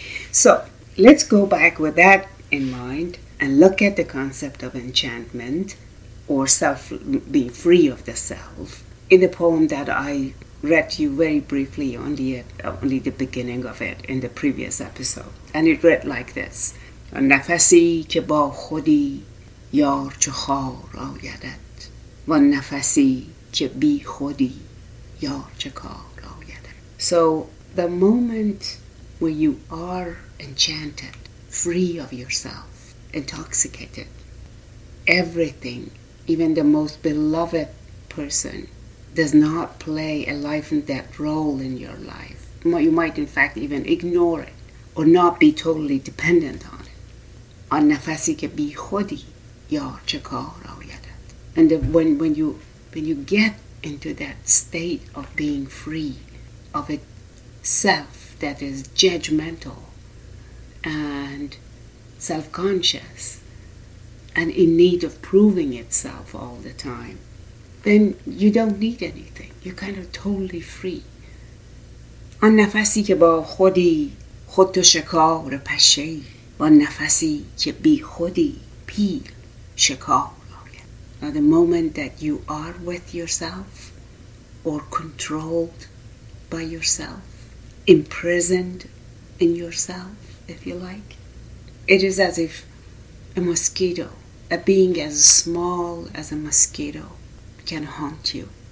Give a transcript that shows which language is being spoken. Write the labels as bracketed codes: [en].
[en] So let's go back with that in mind and look at the concept of enchantment or self, being free of the self, in the poem that I read to you very briefly only the beginning of it in the previous episode. [fa] And it read like this: نفسی که با خودی یار چو خار آیدت و نفسی که بی خودی یار چو کار آیدت. [en] So the moment when you are enchanted, free of yourself, intoxicated, everything, even the most beloved person, does not play a life and death role in your life. You might in fact even ignore it or not be totally dependent on it. [fa] On nafasi ke bi khodi yar che kar ayadat. [en] And when you get into that state of being free of a self that is judgmental and self-conscious and in need of proving itself all the time, then you don't need anything. You're kind of totally free. [fa] آن نفسی که با خودی خود تو شکار پشه‌ای و نفسی که بی خودی پیل شکار آید. [en] Now the moment that you are with yourself or controlled by yourself, imprisoned in yourself, if you like, it is as if a mosquito, a being as small as a mosquito, can haunt you.